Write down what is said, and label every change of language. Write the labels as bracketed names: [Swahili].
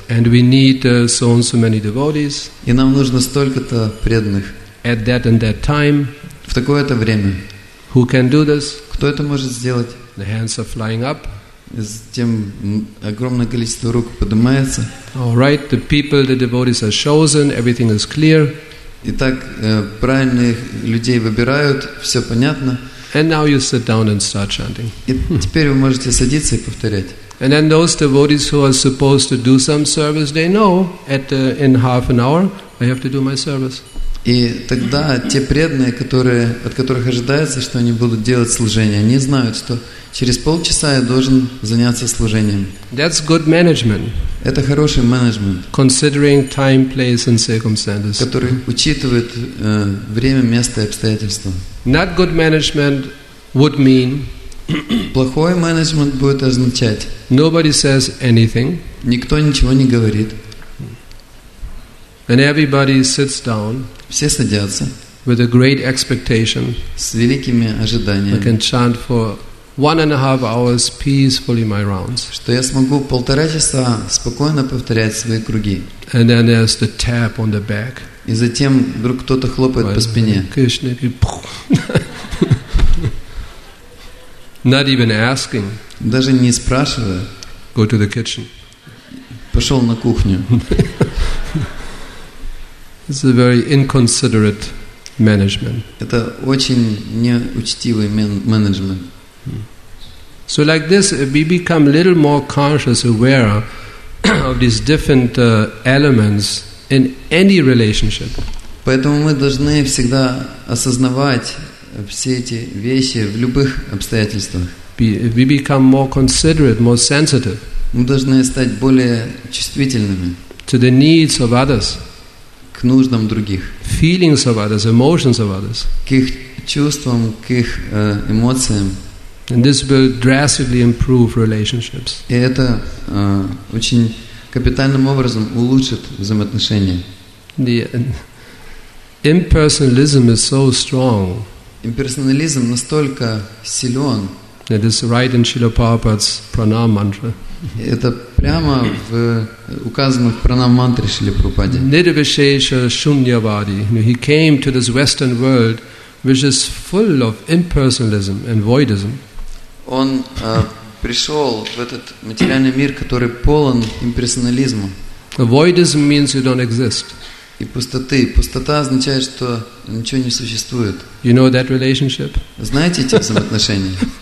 [English] And we need so and so many devotees. [Russian] И нам нужно столько-то преданных. [English] At that and that time. [Russian] В такое-то время. [English] Who can do this? [Russian] Кто это может сделать? [English] The hands are flying up. [Russian] Затем огромное количество рук поднимается. [English] All right, the people, the devotees are chosen. Everything is clear. [Russian] Итак, правильных людей выбирают, все понятно. [English] And now you sit down and start chanting. [Russian] И теперь вы можете садиться и повторять. [English] And then those devotees who are supposed to do some service, they know in half an hour I have to do my service. [Russian] И тогда те преданные, от которых ожидается, что они будут делать служение, они знают, что через полчаса я должен заняться служением. [English] That's good management. [Russian] Это хороший менеджмент. [English] Considering time, place and circumstances. [Russian] Который учитывает время, место и обстоятельства. [English] Not good management would mean. [Russian] Плохой менеджмент будет означать. [English] Nobody says anything. [Russian] Никто ничего не говорит. [English] And everybody sits down. [Russian] Все садятся. [English] With a great expectation. [Russian] С великими ожиданиями. [English] I can chant for 1.5 hours peacefully my rounds. [Russian] Что я смогу полтора часа спокойно повторять свои круги. [English] And then there's the tap on the back. [Russian] И затем вдруг кто-то хлопает по спине. [English] Кришна, [Russian] и [English] not even asking. [Russian] Даже не спрашивая. [English] Go to the kitchen. [Russian] Пошел на кухню. [English] It's a very inconsiderate management. [Russian] Это очень неучтивый менеджмент. [English] So like this, we become a little more conscious, aware of these different elements in any relationship. [Russian] Поэтому мы должны всегда осознавать все эти вещи в любых обстоятельствах. [English] We become more considerate, more sensitive. [Russian] Мы должны стать более чувствительными. [English] To the needs of others. [Russian] К нуждам других. [English] Feelings of others, emotions of others. [Russian] К их чувствам, к их эмоциям. [English] And this will drastically improve relationships. [Russian] И это очень капитальным образом улучшит взаимоотношения. [English] The impersonalism is so strong. [Russian] Имперсонализм настолько силен. [English] That is right in Srila Prabhupada's pranam mantra. [Russian] Это прямо в указанных пранам мантре Шрилы Прабхупады. [Sanskrit] Nirvishesha Shunyavadi. [English] He came to this Western world, which is full of impersonalism and voidism. [Russian] Он пришел в этот материальный мир, который полон имперсонализма. [English] Voidism means you don't exist. [Russian] И пустоты. Пустота означает, что ничего не существует. [English] You know that relationship? [Russian] Знаете эти взаимоотношения?